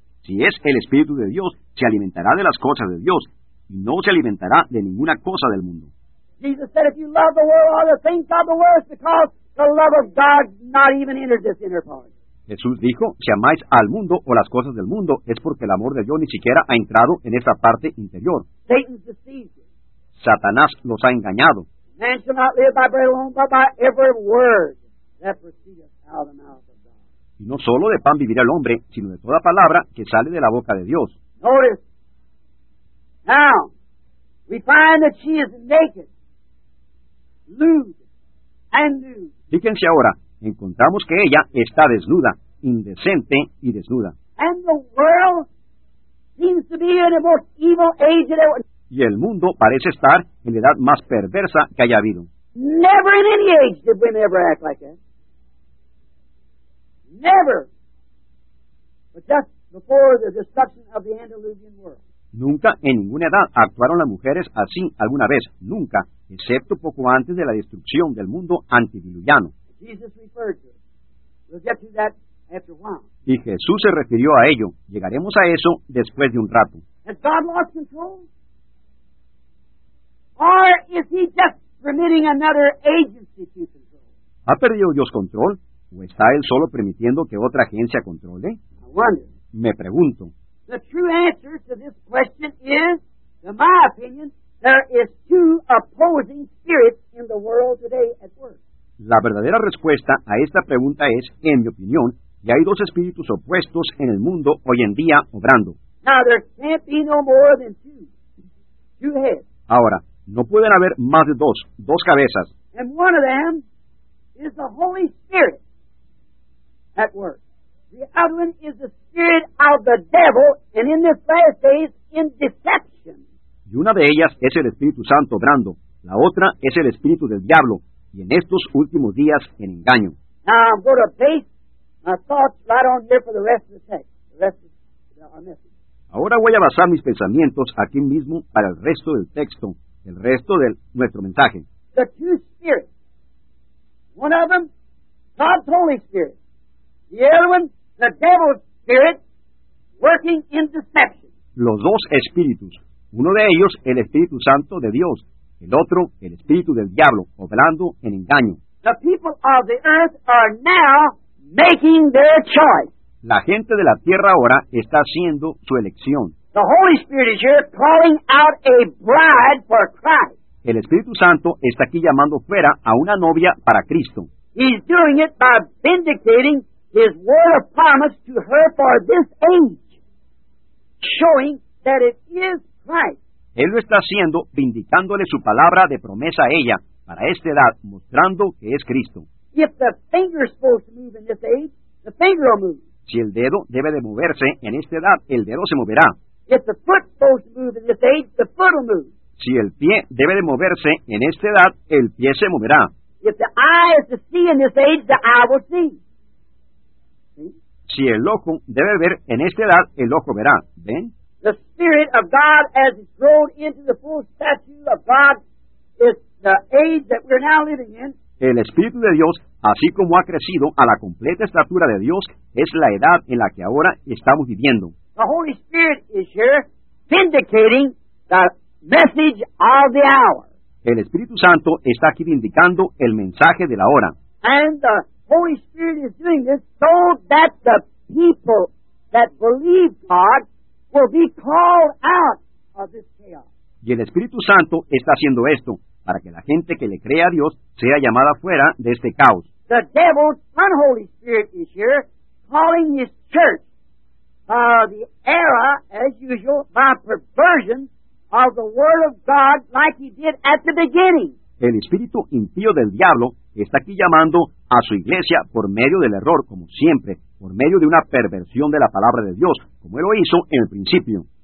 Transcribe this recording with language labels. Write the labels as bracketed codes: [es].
[es] Si es el Espíritu de Dios, se alimentará de las cosas de Dios y no se alimentará de ninguna cosa del mundo. [en] Jesus said, if you love the world, all the things of the world, it's because the love of God not even entered this inner part. [es] Jesús dijo, si amáis al mundo o las cosas del mundo, es porque el amor de Dios ni siquiera ha entrado en esta parte interior. [en] Satan's deceived you. [es] Satanás los ha engañado. [en] Man shall not live by bread alone, but by every word that proceedeth out of the mouth. [es] Y no solo de pan vivirá el hombre, sino de toda palabra que sale de la boca de Dios. [en] Notice. Now, we find that she is naked, lewd, and nude. [es] Fíjense ahora, encontramos que ella está desnuda, indecente y desnuda. [en] And the world seems to be in the most evil age that ever. [es] Y el mundo parece estar en la edad más perversa que haya habido. [en] Never in any age did women ever act like that. Never. But just before the destruction of the Antediluvian world. [es] Nunca en ninguna edad actuaron las mujeres así alguna vez. Nunca. Excepto poco antes de la destrucción del mundo antediluviano. [en] Jesus referred to it. We'll get to that after a while. [es] Y Jesús se refirió a ello. Llegaremos a eso después de un rato. [en] Has God lost control? Or is he just permitting another agency to control? [es] ¿Ha perdido Dios control? ¿O está él solo permitiendo que otra agencia controle? [en] I wonder. [es] Me pregunto. [en] The true answer to this question is, in my opinion, there is two opposing spirits in the world today at work. [es] La verdadera respuesta a esta pregunta es, en mi opinión, que hay dos espíritus opuestos en el mundo hoy en día obrando. [en] Now, there can't be no more than two heads. [es] Ahora, no pueden haber más de dos cabezas. [en] And one of them is the Holy Spirit. At work. The other one is the spirit of the devil, and in this last days, in deception. [es] Y una de ellas es el Espíritu Santo obrando. La otra es el Espíritu del Diablo, y en estos últimos días, en engaño. [en] Now I'm going to base my thoughts right on here for the rest of the text, the rest of our message. [es] Ahora voy a basar mis pensamientos aquí mismo para el resto del texto, el resto de nuestro mensaje. [en] The two spirits. One of them, God's Holy Spirit. The other one, the devil's spirit, working in deception. [es] Los dos espíritus. Uno de ellos, el Espíritu Santo de Dios. El otro, el Espíritu del Diablo, obrando en engaño. [en] The people of the earth are now making their choice. [es] La gente de la tierra ahora está haciendo su elección. [en] The Holy Spirit is here calling out a bride for Christ. [es] El Espíritu Santo está aquí llamando fuera a una novia para Cristo. [en] He's doing it by vindicating His word of promise to her for this age, showing that it is Christ. [es] Él lo está haciendo vindicándole su palabra de promesa a ella para esta edad, mostrando que es Cristo. [en] If the finger is supposed to move in this age, the finger will move. [es] Si el dedo debe de moverse en esta edad, el dedo se moverá. [en] If the foot is supposed to move in this age, the foot will move. [es] Si el pie debe de moverse en esta edad, el pie se moverá. [en] If the eye is to see in this age, the eye will see. [es] Si el ojo debe ver en esta edad, el ojo verá. ¿Ven? [en] The Spirit of God as it's grown into the full statue of God is the age that we're now living in. [es] El Espíritu de Dios, así como ha crecido a la completa estatura de Dios, es la edad en la que ahora estamos viviendo. [en] The Holy Spirit is here vindicating the message of the hour. [es] El Espíritu Santo está aquí vindicando el mensaje de la hora. [en] And the Holy Spirit is doing this so that the people that believe God will be called out of this chaos. [es] Y el Espíritu Santo está haciendo esto para que la gente que le cree a Dios sea llamada fuera de este caos. [en] The devil's unholy spirit is here calling his church by the error, as usual, by perversion of the word of God like he did at the beginning. [es] El espíritu impío del diablo está aquí llamando a su iglesia por medio del error, como siempre, por medio de una perversión de la palabra de Dios, como él lo hizo en el principio.